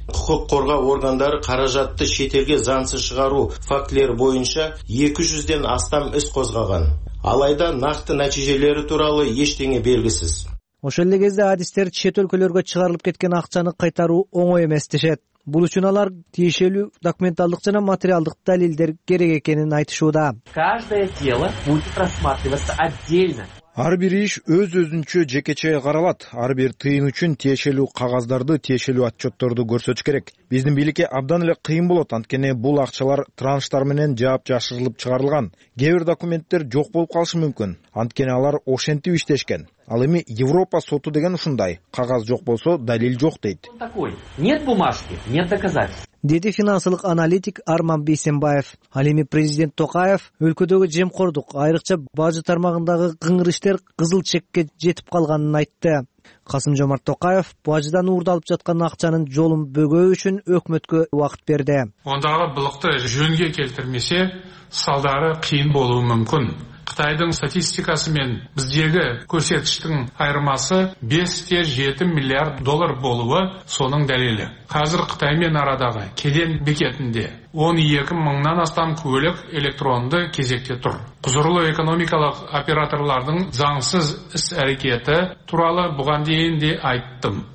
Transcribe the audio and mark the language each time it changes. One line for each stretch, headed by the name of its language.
Kyrgyz: Укук коргоо органдары каражатты шетелге заңсыз чыгаруу фактилери боюнча 200ден астам иш козгоган. Алайда накты натыйжалары тууралуу эчтеңе белгисиз. Ошол эле кезде адистер чет өлкөлөргө чыгарылып кеткен акчаны кайтаруу оңой эмес дешет. Бул үчүн алар тиешелүү документалдык жана материалдык далилдер керек экенин айтышууда.
Russian: Каждое дело будет рассматриваться отдельно.
Kyrgyz: Ар бир иш өз өзүнчө жекече каралат. Ар бир тыйын үчүн тиешелүү кагаздарды, тиешелүү отчетторду көрсөтүш керек. Биздин бийликке абдан эле кыйын болот, анткени бул акчалар транштар менен жаап жашырылып чыгарылган. Кээ бир документтер жок болуп калышы мүмкүн, анткени алар ошентип иштешкен. Ал эми Европа соту деген ушундай, кагаз жок болсо далил жок дейт.
Russian: Нет бумажки, нет доказательств.
Kyrgyz: Деди финансылык аналитик Арман Бейсенбаев. Ал эми президент Токаев өлкөдөгү жемкордук, айрыкча бажы тармагындагы кыңыр иштер кызыл чекке жетип калганын айтты. Касым Жомарт Токаев бажыдан уурдалып жаткан акчанын жолун бөгөө үчүн өкмөткө убакыт берди. Ондогу былыкты жөнгө келтирмесе салдары кыйын болуу мүмкүн.
Kazakh: Қытайдың статистикасы мен біздегі көрсеткіштің айырмасы 5-7 миллиард доллар болуы соның дәлелі. Қазір Қытаймен арадағы кеден бекетінде 12 мыңнан астам көлік электронды кезекте тұр. Құзырлы экономикалық операторлардың заңсыз іс-әрекеті туралы бұған дейін де айттым.